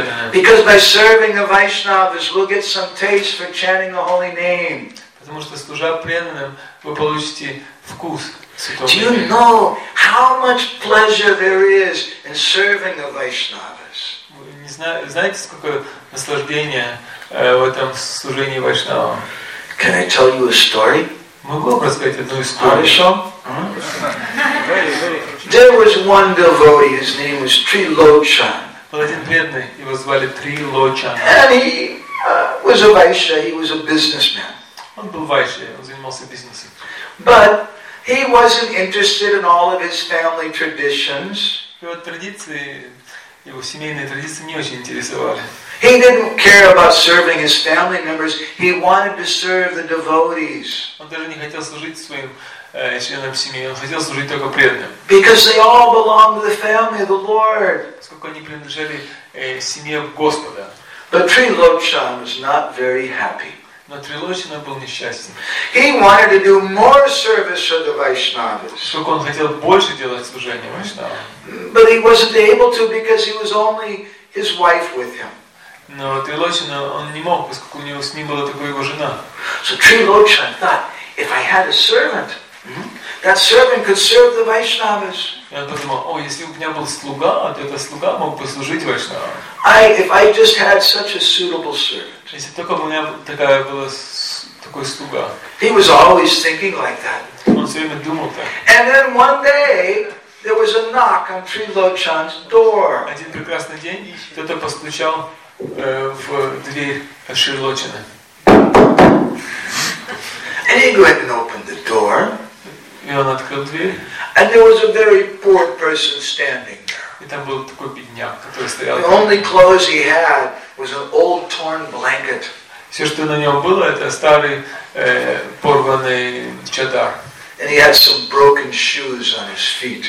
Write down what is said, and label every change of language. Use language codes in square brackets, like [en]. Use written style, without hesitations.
[en] Because by serving the Vaishnavas, we'll get some taste for chanting the holy name. [ru] потому что служа преданным, вы получите вкус святого. [en] Do you know how much pleasure there is in serving the Vaishnavas? [ru] Вы не знаете, сколько наслаждения в этом служении Вайшнавам? [en] Can I tell you a story? [ru] Могу вам рассказать одну историю? Хорошо. [en] There was one devotee, his name was Trilochan. [ru] Был один преданный, его звали Трилочан. [en] And he was a Vaishya, he was a businessman. [ru] Он был Vaishya, он занимался бизнесом. [en] But he wasn't interested in all of his family traditions. [ru] Его традиции, его семейные традиции не очень интересовали. [en] He didn't care about serving his family members. He wanted to serve the devotees. [ru] Он даже не хотел служить своим членам семьи. Он хотел служить только преданным. [en] Because they all belong to the family of the Lord. [ru] Сколько они принадлежали семье Господа. [en] But Trilochan was not very happy. [ru] Но Трилочан был несчастен. [en] He wanted to do more service for the Vaishnavas. [ru] Сколько он хотел больше делать служения Вайшнавам. [en] But he wasn't able to because he was only his wife with him. [ru] Но Трилочан он не мог, поскольку у него с ним была только его жена. [en] So Trilochan thought, if I had a servant, that servant could serve the Vaishnavas. [ru] Я подумал, о, если бы у меня был слуга, то этот слуга мог бы служить Вайшнавам. [en] If I just had such a suitable servant. [ru] Если только у меня такая была такой слуга. [en] He was always thinking like that. [ru] Он все время думал так. [en] And then one day there was a knock on Trilochan's door. [ru] Один прекрасный день кто-то постучал в дверь Трилочана. [en] And he went and opened the door. [ru] И он открыл дверь. [en] And there was a very poor person standing there. [ru] И там был такой бедняк, который стоял. [en] The only clothes he had was an old torn blanket. [ru] Все, что на нем было, это старый порванный чадар. [en] And he had some broken shoes on his feet.